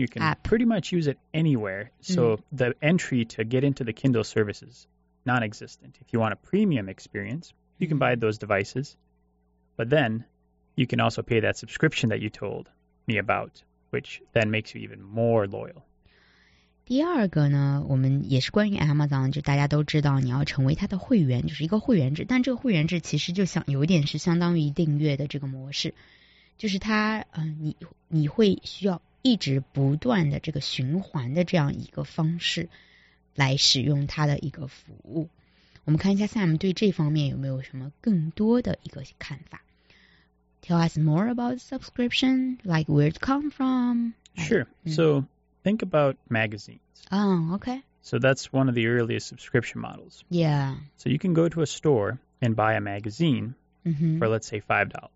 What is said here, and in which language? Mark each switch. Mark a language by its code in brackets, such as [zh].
[en] You can pretty much use it anywhere. So the entry to get into the Kindle service is non-existent. If you want a premium experience, you can buy those devices. But then you can also pay that subscription that you told me about, which then makes you even more loyal. [zh] 第二个呢，我们也是关于 Amazon， 就大家都知道你要成为它的会员，就是一个会员制，但这个会员制其实就像有点是相当于订阅的这个模式，就是它你会需要一直不断的这个循环的这样一个方式来使用它的一个服务。我们看一下 Sam 对这方面有没有什么更多的一个看法。 [en] Tell us more about subscription, like where it come from. Sure, so think about magazines. Oh, okay. So that's one of the earliest subscription models. Yeah. So you can go to a store and buy a magazine for, let's say, $5.